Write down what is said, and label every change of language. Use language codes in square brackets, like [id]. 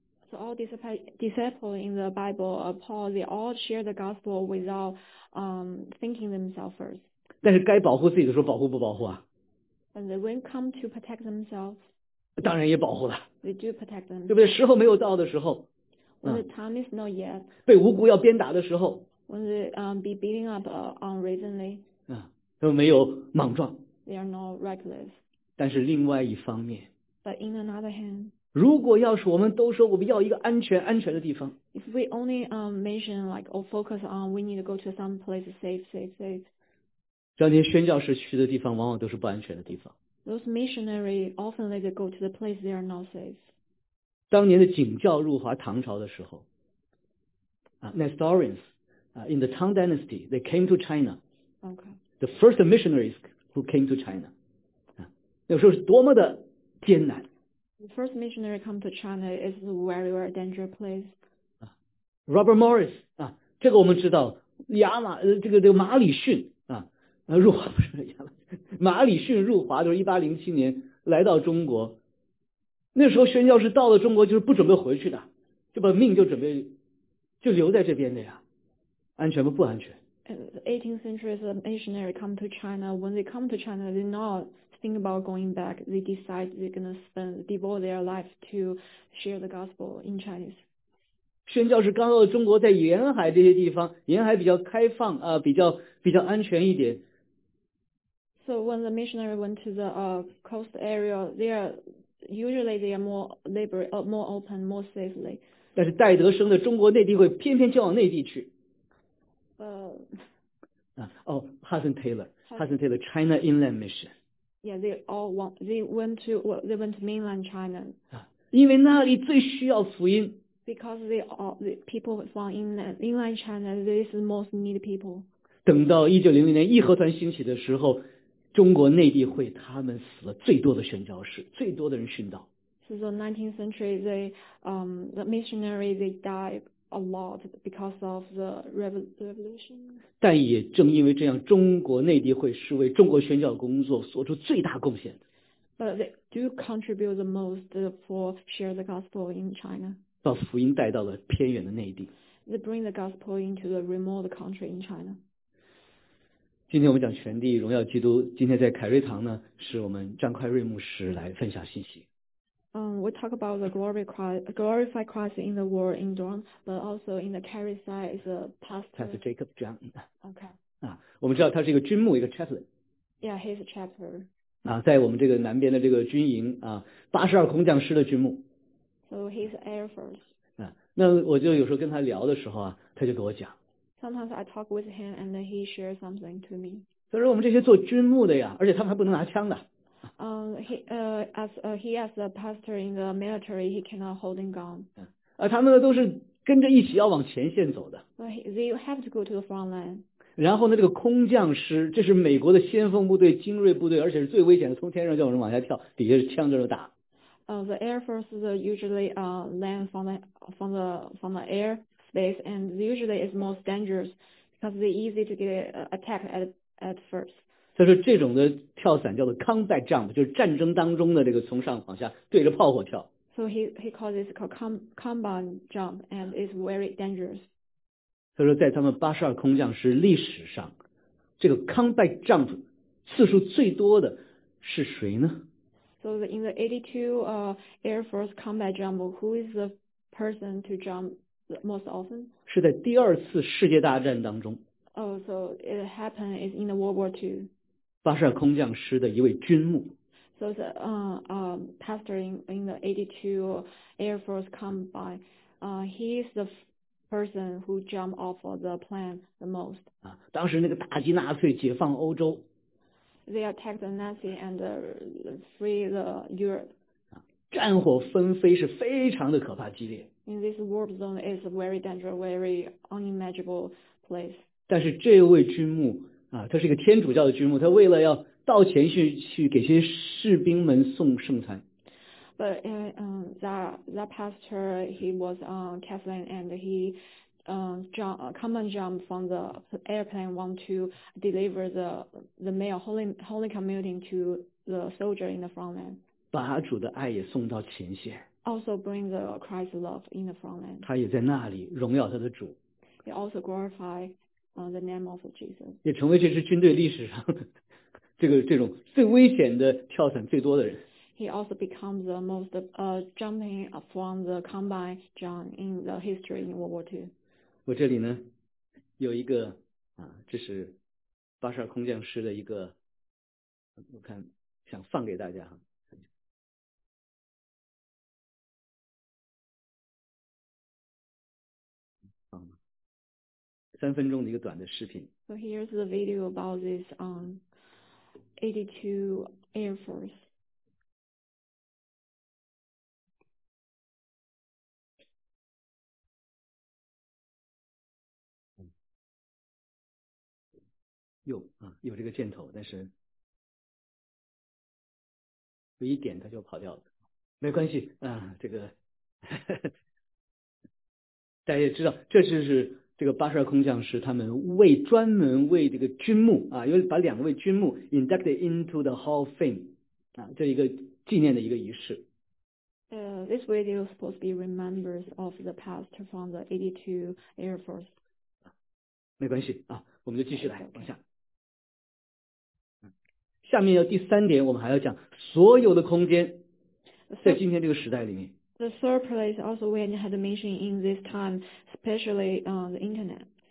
[en] So all disciples in the Bible, Paul, they all share the gospel without thinking themselves first. [zh] 但是该保护自己的时候保护不保护啊 [en] ？And they when come to protect themselves. [zh] 当然也保护了 [en] they do protect them. [zh] 对不对时候没有到的时候 [en] when the time is not yet, [zh] 被无辜要鞭打的时候 [en] when they, be beating up, unreasonably, [zh] 他们没有莽撞 [en] they are not reckless. [zh] 但是另外一方面 [en] but in another hand, [zh] 如果要是我们都说我们要一个安全的地方 [en] if we only, mention like, or focus on we need to go to some place safe [zh] 让那些宣教士去的地方往往都是不安全的地方 [en] Those missionaries often let them go to the place they are not safe. [zh] 当年的景教入华唐朝的时候 [en] Nestorians, in the Tang Dynasty, they came to China. Okay. The first missionaries who came to China. [zh] 有时候是多么的艰难。 [en] The first missionary come to China is a very, very dangerous place. [zh] Robert Morris, 这个我们知道，亚马，这个马里逊，入华不是亚马，马里逊入华都是1807年来到中国。那时候宣教士到了中国就是不准备回去的，就把命就准备就留在这边的呀，安全不安全。 [en] 18th century is a missionary come to China. When they come to China, they not think about going back. They decide they're going to spend, devote their life to share the gospel in Chinese. [zh] 宣教士刚到中国，在沿海这些地方，沿海比较开放，比较安全一点。 [en] So when the missionary went to the coast area, they are more liberate, more open, more safely. [zh] 但是戴德生的中国内地会偏偏就往内地去。 [en] Hudson Taylor, Hudson Taylor, China Inland Mission. Yeah, they went to mainland China. [zh] 因为那里最需要福音。 [en] Because the people from inland China, this is the most needed people. [zh] 等到1900年义和团兴起的时候，中国内地会他们死了最多的宣教士，最多的人殉道。 [en] So the 19th century, the missionary, they died. A lot because of the revolution. [zh] 但也正因为这样，中国内地会是为中国宣教工作做出最大贡献的。 [en] But they do contribute the most for share the gospel in China. [zh] 把福音带到了偏远的内地。 [en] They bring the gospel into the remote country in China. [zh] 今天我们讲全地荣耀基督。今天在凯瑞堂呢，是我们张快瑞牧师来分享信息。 [en] We talk about the glorified Christ in the world in Durham, but also in the Carey side is a pastor. Pastor Jacob John. Okay. [zh] 我们知道他是一个军牧，一个 chaplain. [en] Yeah, he's a chaplain. [zh] 在我们这个南边的这个军营，82空降师的军牧。 [en] So he's Air Force. [zh] 那我就有时候跟他聊的时候他就跟我讲。 [en] Sometimes I talk with him and then he shares something to me. [zh] 所以说我们这些做军牧的呀，而且他们还不能拿枪的。 [en] He as a pastor in the military, he cannot hold a gun. [zh] 他们呢都是跟着一起要往前线走的。 [en] They have to go to the front line. [zh] 然后呢，这个空降师，这是美国的先锋部队、精锐部队，而且是最危险的，从天上叫人往下跳，底下是枪着打。 [en] The Air Force is usually land from the air space, and usually is most dangerous because they easy to get attacked at first. [zh] 他说这种的跳伞叫做 combat jump， 就是战争当中的这个从上往下对着炮火跳。 [en] So he calls this called combat jump and it's very dangerous. [zh] 他说在他们82空降师历史上，这个 combat jump 次数最多的是谁呢？ [en] So in the 82 Air Force combat jump, who is the person to jump the most often? [zh] 是在第二次世界大战当中。 [en] Oh, so it happened is in the World War II. [zh] 巴沙空降师的一位军牧。 [en] So the pastor in the 82 Air Force combat, he's the person who jumped off of the plane the most. [zh] 当时那个打击纳粹，解放欧洲。 [en] They attacked the Nazi and free the Europe. [zh] 战火纷飞是非常的可怕激烈。 [en] In this war zone is a very dangerous, very unimaginable place. [zh] 但是这位军牧。他是一个天主教的军牧，他为了要到前线 去给些士兵们送圣餐。 [en] But that pastor he was Catholic and he common jump from the airplane want to deliver the mail holy communion to the soldier in the front line. [zh] 把主的爱也送到前线。 [en] Also bring the Christ love in the front line. [zh] 他也在那里荣耀他的主。 [en] He also glorify. The name of Jesus. [zh] 也成为这支军队历史上这种最危险的跳伞最多的人。 [en] He also becomes the most jumping from the combine jump in the history in World War II. [zh] 我这里呢有一个这是82空降师的一个，我看想放给大家哈。三分钟的一个短的视频。 [en] So here's the video about this 82 Air Force. [zh] Mm. 有这个箭头，但是有一点他就跑掉了。没关系啊，这个大家也知道，这就是这个巴沙空降师他们为专门为这个军墓啊，因为把两位军墓 [en] inducted into the Hall of Fame [zh] 啊，这一个纪念的一个仪式。 [en] This video is supposed to be remembers of the past from the 82 Air Force. [zh] 没关系啊，我们就继续来往下。下面要第三点，我们还要讲所有的空间，在今天这个时代里面。 [en] The third place also we had mentioned in this time, especially on the internet.